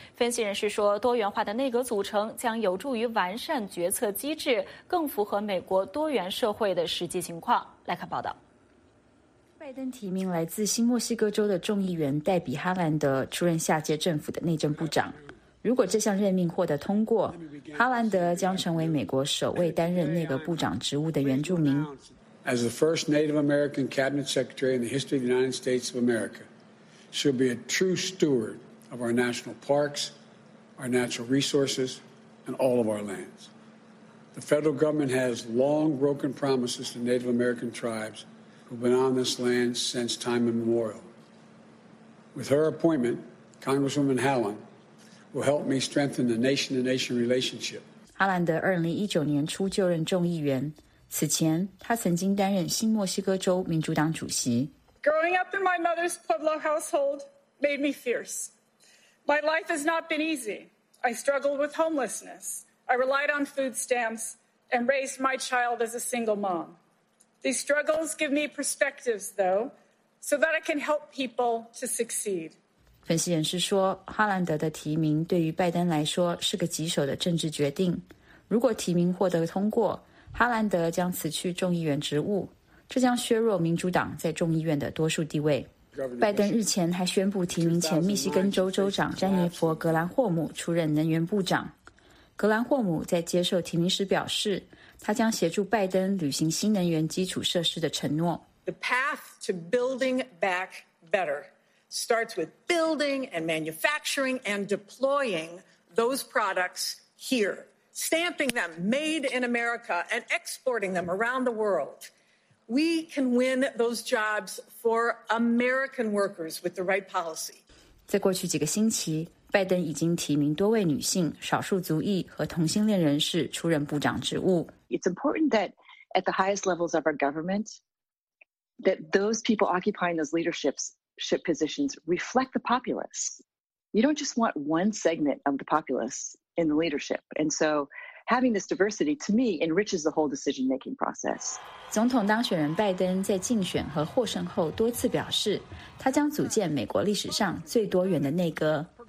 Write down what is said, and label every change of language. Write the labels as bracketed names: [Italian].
[Chinese] 分析人士说，多元化的内阁组成将有助于完善决策机制，更符合美国多元社会的实际情况。来看报道。拜登提名来自新墨西哥州的众议员黛比·哈兰德出任下届政府的内政部长。如果这项任命获得通过，哈兰德将成为美国首位担任内阁部长职务的原住民。 [English] As the first Native American cabinet secretary in the history of the United States of America, she'll be a true steward of our national parks, our natural resources, and all of our lands. The federal government has long broken promises to Native American tribes. Who've been on this land since time immemorial. With her appointment, Congresswoman Hallen will help me strengthen the nation-to-nation relationship. [Chinese] 哈兰德2019年初就任众议员，此前他曾经担任新墨西哥州民主党主席。 [English] Growing up in my mother's Pueblo household made me fierce. My life has not been easy. I struggled with homelessness. I relied on food stamps and raised my child as a single mom. These struggles give me perspectives, though, so that I can help people to succeed. [Chinese] 分析人士说，哈兰德的提名对于拜登来说是个棘手的政治决定。如果提名获得通过，哈兰德将辞去众议员职务，这将削弱民主党在众议院的多数地位。拜登日前还宣布提名前密西根州州长詹妮弗·格兰霍姆出任能源部长。格兰霍姆在接受提名时表示，他将协助拜登履行新能源基础设施的承诺。 [English] The path to building back better starts with building and manufacturing and deploying those products here, stamping them made in America and exporting them around the world. We can win those jobs for American workers with the right policy. [Chinese] 在过去几个星期，拜登已经提名多位女性、少数族裔和同性恋人士出任部长职务。 [English] It's important that at the highest levels of our government, that those people occupying those leadership positions reflect the populace. You don't just want one segment of the populace in the leadership. And so having this diversity, to me, enriches the whole decision-making process. [Chinese] 总统当选人拜登在竞选和获胜后多次表示，他将组建美国历史上最多元的内阁。